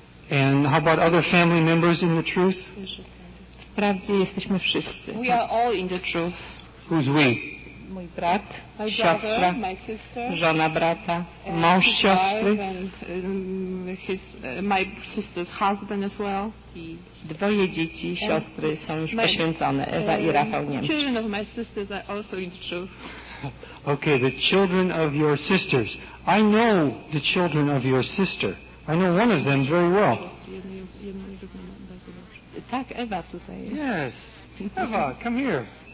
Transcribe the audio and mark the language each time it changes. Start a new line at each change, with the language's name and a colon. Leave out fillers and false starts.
English: And how about other family members in the truth?
Polish: Wprawdzie jesteśmy wszyscy.
English: We are all in the truth. Who's we?
Polish: Mój brat,
English: my
Polish: siostra,
English: brother,
Polish: żona brata, mąż siostry,
English: my sister's husband as well.
Polish: Dwoje dzieci, siostry są już poświęcone, Ewa i Rafał Niemczyk.
English: Children of my sisters are also in the truth. Okay, the children of your sisters. I know the children of your sister. I know one of them very well.
Polish: Tak, Ewa tutaj.
English: Yes, Ewa, come here.